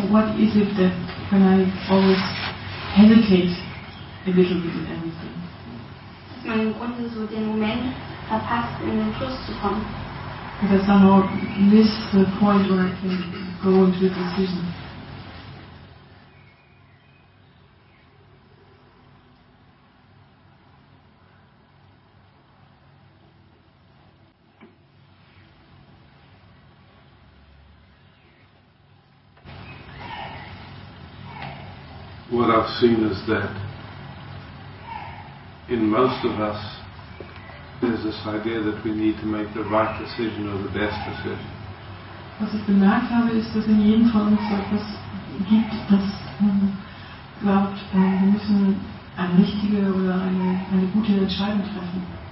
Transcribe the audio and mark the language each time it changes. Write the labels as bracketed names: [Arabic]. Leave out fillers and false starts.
[English] What is it that when I always hesitate a little bit in everything? [German] Dass man im Grunde so den Moment verpasst, in den Fluss zu kommen. [English] Because I somehow miss the point where I can go into a decision. What I've seen is that in most of us there's this idea that we need to make the right decision or the best decision. [German] Was ich bemerkt habe, ist, dass in jedem von uns etwas gibt, dass man glaubt, wir müssen eine richtige oder eine gute Entscheidung treffen.